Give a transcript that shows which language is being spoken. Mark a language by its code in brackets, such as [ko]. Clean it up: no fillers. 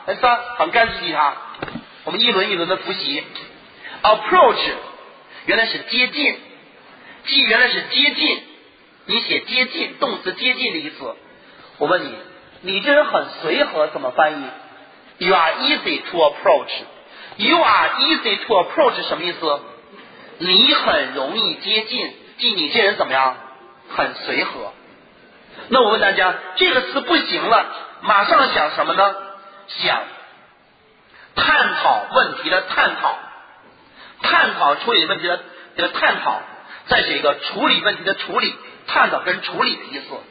[zh] 三，很干脆记它。我们一轮一轮的复习。 approach 原来是接近，记原来是接近，你写接近，动词接近的意思。我问你，你这人很随和，怎么翻译？ [en] You are easy to approach。 You are easy to approach [zh] 什么意思？你很容易接近，即你这人怎么样？很随和。那我问大家，这个词不行了，马上想什么呢？想探讨问题的探讨，探讨处理问题的这个探讨，再写一个处理问题的处理，探讨跟处理的意思。